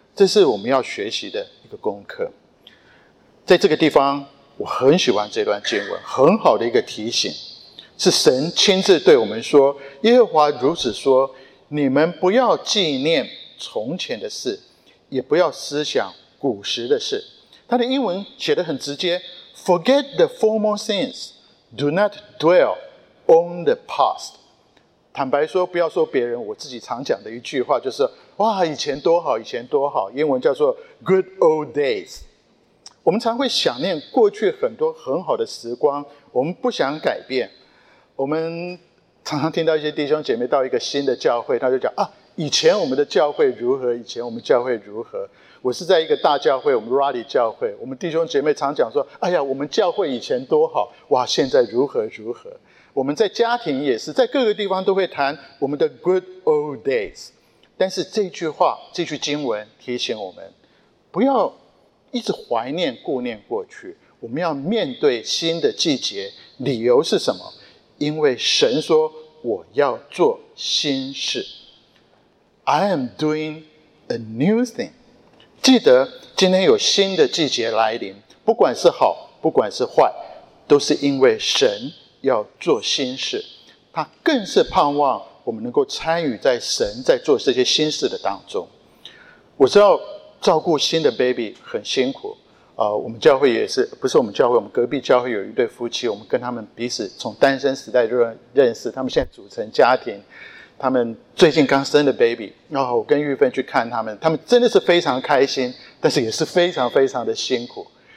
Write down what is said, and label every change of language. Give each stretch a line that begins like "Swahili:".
Chinese: 这是我们要学习的一个功课。在这个地方我很喜欢这段经文，很好的一个提醒，是神亲自对我们说，耶和华如此说，你们不要纪念从前的事，也不要思想古时的事。他的英文写得很直接，
English: Forget the former things, do not dwell on the past。
Chinese: 坦白说，不要说别人，我自己常讲的一句话就是，哇，以前多好，以前多好，英文叫做
English: Good old days。
Chinese: 我们常会想念过去很多很好的时光，我们不想改变。我们常常听到一些弟兄姐妹到一个新的教会，他就讲啊，以前我们的教会如何，以前我们教会如何。我是在一个大教会，我们 Rally 教会，我们弟兄姐妹常讲说，哎呀，我们教会以前多好，哇，现在如何如何。我们在家庭也是，在各个地方都会谈我们的
English: good old days。
Chinese: 但是这句话，这句经文提醒我们，不要一直怀念顾念过去，我们要面对新的季节。理由是什么？因为神说，我要做新事，
English: I am doing a new thing。
Chinese: 记得今天有新的季节来临，不管是好不管是坏，都是因为神要做新事，他更是盼望我们能够参与在神在做这些新事的当中。我知道照顾新的 baby 很辛苦，我们教会也是，不是我们教会，我们隔壁教会有一对夫妻，我们跟他们彼此从单身时代就认识，他们现在组成家庭，他们最近刚生的 baby， 然后我跟玉芬去看他们，他们真的是非常开心，但是也是非常非常的辛苦。